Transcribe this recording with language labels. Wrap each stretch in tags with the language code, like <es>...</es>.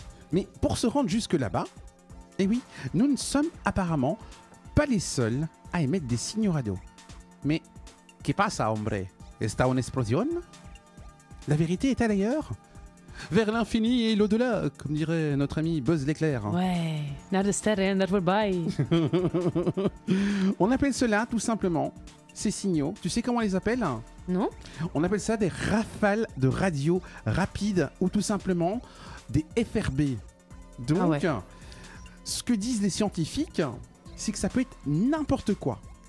<fr>Mais pour se rendre jusque là-bas, eh oui, nous ne sommes apparemment pas les seuls à émettre des signaux radio.</fr> <es>Mais qué pasa, hombre? Está una explosión?</es> <fr>La vérité est-elle ailleurs? Vers l'infini et l'au-delà, comme dirait notre ami Buzz l'éclair.</fr> <nl>Ouais, naar de sterren, naar voorbij.</nl> <fr>On appelle cela, tout simplement, ces signaux. Tu sais comment on les appelle ? Non. On appelle ça des rafales de radio rapides, ou tout simplement des FRB. Donc, ah ouais. Ce que disent les scientifiques, c'est que ça peut être n'importe quoi.</fr>